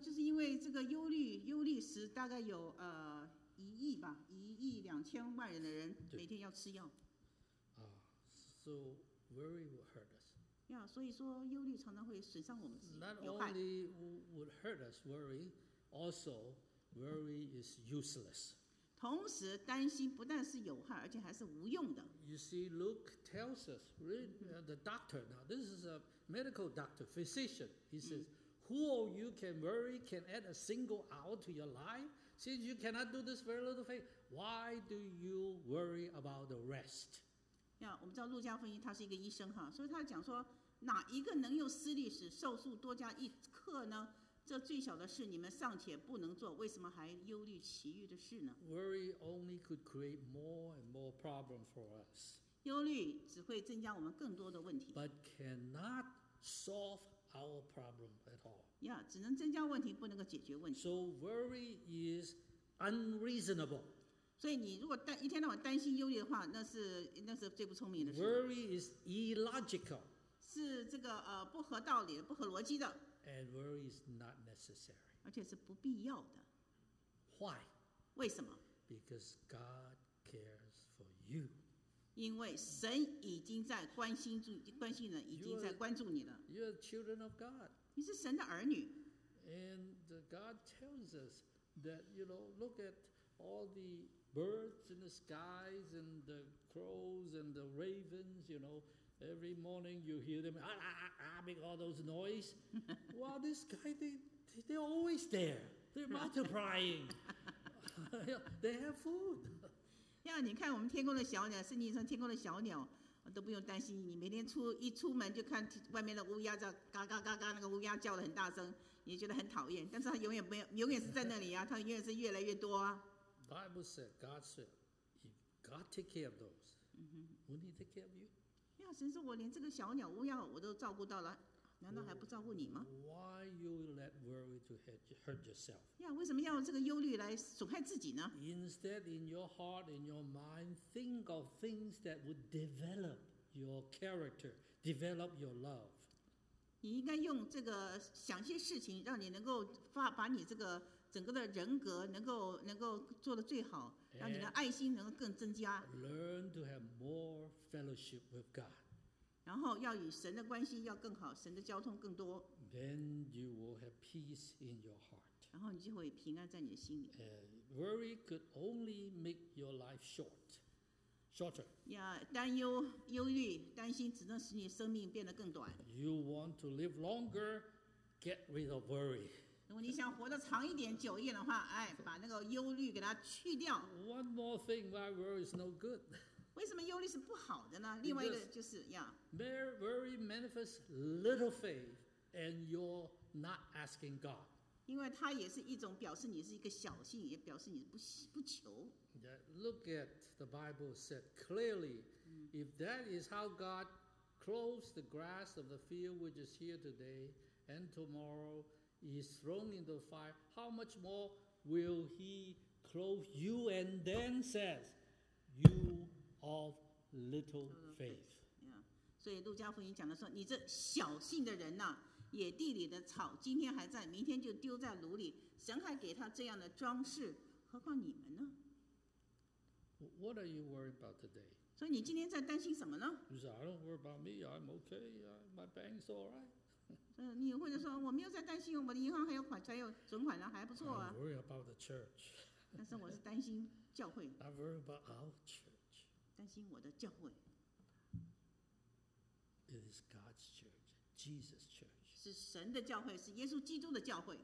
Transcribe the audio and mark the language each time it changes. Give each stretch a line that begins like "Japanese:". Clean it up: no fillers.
Chinese: 就是因为这个忧虑时大概有1亿2000万人的人每天要吃药。
English: So worry will hurt us.
Chinese: 所以说忧虑常常会损伤我们自己。
English: Not only would hurt us worry, also worry is useless.
Chinese: 同时担心不但是有害，而且还是无用的。
English: You see, Luke tells us, the doctor, now this is a medical doctor, physician, he says, who of you can worry, can add a single hour to your life? Since you cannot do this very little thing, why do you worry about the rest?
Chinese: 我们知道路加福音他是一个医生哈，所以他讲说，哪一个能用思虑使寿数多加一刻呢？这最小的事你们尚且不能做，为什么还忧虑其余的事呢？
English: Worry only could create more and more problems for us.
Chinese: 忧虑只会增加我们更多的问题。
English: But cannot solve our problem at all.
Chinese: 只能增加问题，不能够解决问题。
English: So worry is unreasonable.
Chinese: 所以你如果一天到晚担心忧虑的话，那是最不聪明的事。
English: Worry is illogical.
Chinese: 是这个不合道理的，不合逻辑的。
English: And worry is not necessary.
Chinese: 而且是不必要的。
English: Why?
Chinese: 为什么？
English: Because God cares for you.
Chinese: 因为神已经在关心了，已经在关注你了。
English: You are children of God.
Chinese: 你是神的儿女。
English: And God tells us that, you know, look at all the birds in the skies and the crows and the ravens, you know. Every morning you hear them make all those noise. Well, this guy, they're always there. They're multiplying. They have food.
Chinese: 你看我们天空的小鸟，圣经上天空的小鸟都不用担心。你每天一出门就看外面的乌鸦叫嘎嘎嘎嘎，那个乌鸦叫得很大声，你觉得很讨厌。但是它永远是在那里啊，它永远是越来越多啊。
English: Bible said, God said, if God take care of those, wouldn't He take care of you?
Chinese: 神说我连这个小鸟乌鸦我都照顾到了，难道还不照顾你吗？
English: Why you let worry to hurt yourself?
Chinese: 为什么要用这个忧虑来损害自己呢？
English: Instead, in your heart, in your mind, think of things that would develop your character, develop your love.
Chinese: 你应该用这个想些事情，让你能够把你这个整个的人格能够做得最好，让你的爱心能够更增加。
English: Learn to have more fellowship with God.
Chinese: 然后要与神的关系要更好，神的交通更多。
English: Then you will have peace in your heart.
Chinese: 然后你就会平安在你的心里。
English: Worry could only make your life shorter.
Chinese: 忧虑、担心只能使你生命变得更短。
English: You want to live longer, get rid of worry.
Chinese: 如果你想活得长一点、久一点的话，把那个忧虑给它去掉。
English: One more thing, why worry is no good?
Chinese: 为什么忧虑是不好的呢？另外一个就是
English: Worry manifests little faith, and you're not asking God.
Chinese: 因为它也是一种表示你是一个小信，也表示你不求。
English: Look at the Bible said clearly, if that is how God clothes the grass of the field which is here today and tomorrow. Is thrown into fire, how much more will he clothe you and then says, you of little faith? Yeah.
Chinese: 所以路加福音讲的说，你这小信的人啊，野地里的草今天还在，明天就丢在炉里，神还给他这样的装饰，何况你们呢？
English: What are you worried about today?
Chinese: 所以你今天在担心什么呢？
English: You say, I don't worry about me, I'm okay, my bank's all right.
Chinese: 你或者说我没有在担心我的银行还有款才有存款了，还不错啊。
English: I worry about the church.
Chinese: 但是我是担心教会。
English: I worry about our church.
Chinese: 担心我的教会。
English: It is God's church, Jesus' church.
Chinese: 是神的教会，是耶稣基督的教会。